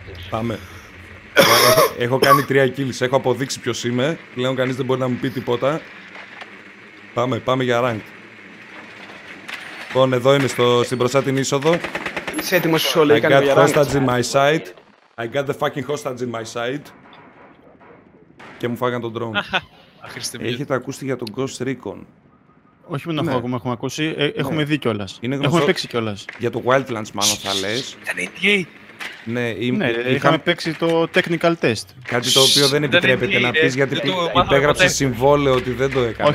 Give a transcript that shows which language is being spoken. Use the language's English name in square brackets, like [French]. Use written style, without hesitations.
[Greek] Πάμε. Έχω κάνει 3 kills, έχω αποδείξει ποιος είμαι. Πλέον κανείς δεν μπορεί να μου πει τίποτα. Πάμε για rank. Λοιπόν, εδώ είμαι στην μπροστά την είσοδο. Είσαι έτοιμος σου όλοι, έκανε για rank. [English] I got hostage in my sight. I got the fucking hostage in my sight. [Greek] Και μου φάγαν τον drone. Έχετε ακούσει για τον Ghost Recon? Όχι μόνο αυτό που έχουμε ακούσει, έχουμε δει κιόλας. Έχουμε παίξει κιόλας. Για το Wildlands μάλλον θα λες. Ναι, είχαμε παίξει το technical test. Κάτι το οποίο δεν επιτρέπεται να πεις, γιατί υπέγραψε συμβόλαιο ότι δεν το έκανες.